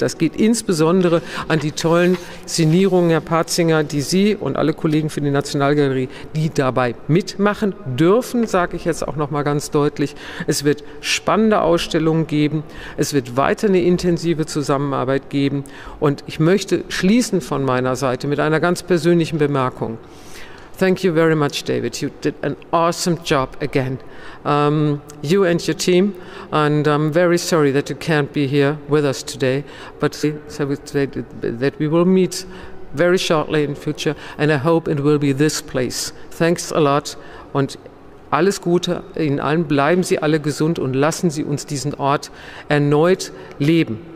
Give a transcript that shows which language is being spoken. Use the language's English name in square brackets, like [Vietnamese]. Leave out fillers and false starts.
[German] Das geht insbesondere an die tollen Szenierungen, Herr Patzinger, die Sie und alle Kollegen für die Nationalgalerie, die dabei mitmachen dürfen, sage ich jetzt auch noch mal ganz deutlich. Es wird spannende Ausstellungen geben. Es wird weiter eine intensive Zusammenarbeit geben. Und ich möchte schließen von meiner Seite mit einer ganz persönlichen Bemerkung. [English] Thank you very much, David. You did an awesome job again. You and your team, and I'm very sorry that you can't be here with us today, but so we say that we will meet very shortly in future, and I hope it will be this place. Thanks a lot [German] und alles Gute Ihnen allen. Bleiben Sie alle gesund und lassen Sie uns diesen Ort erneut leben.